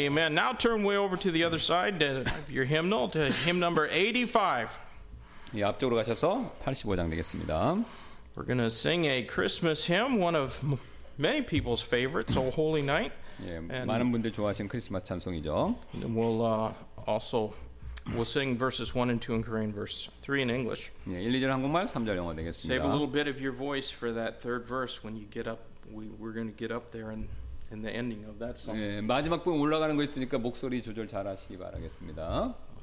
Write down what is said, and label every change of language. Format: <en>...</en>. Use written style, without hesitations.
<en>Now turn way over to the other side of your hymnal to hymn number 85.</en> <ko>예, 앞쪽으로 가셔서 85장 되겠습니다.</ko> <en>We're going to sing a Christmas hymn, one of many people's favorites, O Holy Night.</en> <ko>예, 많은 분들 좋아하시는 크리스마스 찬송이죠.</ko> <en>And we'll also we'll sing verses 1 and 2 in Korean, verse 3 in English.</en> <ko>예, 1, 2절 한국말, 3절 영어 되겠습니다.</ko> <en>Save a little bit of your voice for that third verse when you get up. We're going to get up there and in the ending of that song.</en> <ko>예, 마지막 부분 올라가는 거 있으니까 목소리 조절 잘 하시기 바라겠습니다.</ko>